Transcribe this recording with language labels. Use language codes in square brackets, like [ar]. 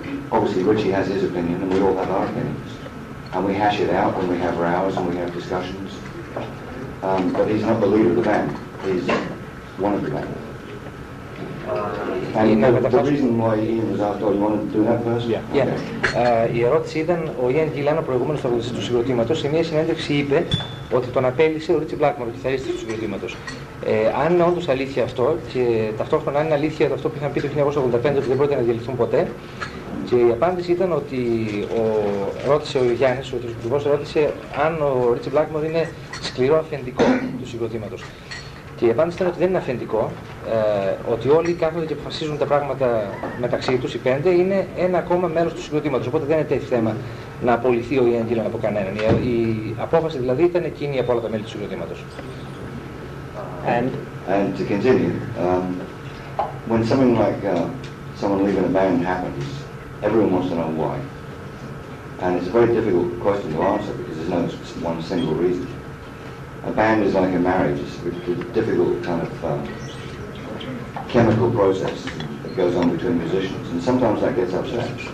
[en] Obviously, Richie has his opinion, and we all have our opinions. And we hash it out when we have rows and we have discussions. But he's not the leader of the band. He's one of the band. And Ian, the reason why Ian was asked, oh, you wanted to do that first? Yeah. Okay. Yeah. [el] Η ερώτηση ήταν, ο Ian Gillan, ο προηγούμενος τραγουδιστής του συγκροτήματος, σε μια συνέντευξη είπε ότι τον απέλησε ο Ρίτσι Μπλάκμαρ, ο κιθαρίστης του συγκροτήματος. Αν είναι όντως αλήθεια αυτό, και ταυτόχρονα αν είναι αλήθεια αυτό που είχαν πει το 1985, ότι δεν πρόκειται να διαλυθούν ποτέ, και η απάντηση ήταν ότι ρώτησε ο Γιάννης, ο τραγουδιστής, ρώτησε αν ο Ρίτσι Μπλάκμαρ είναι σκληρό αφεντικό του συγκροτήματος. Και η απάντηση ήταν ότι δεν είναι αφεντικό, ότι όλοι κάθονται και αποφασίζουν τα πράγματα μεταξύ τους, οι πέντε, είναι ένα ακόμα μέρος του συγκροτήματος. Οπότε δεν είναι θέμα να απολυθεί ο Ian Gillan από κανέναν. Η απόφαση δηλαδή ήταν εκείνη από όλα τα μέλη του συγκροτήματος. [en] And to continue, when something like someone leaving a band happens, everyone wants to know why. And it's a very difficult question to answer because there's no one single reason. A band is like a marriage, it's a difficult kind of chemical process that goes on between musicians, and sometimes that gets upset.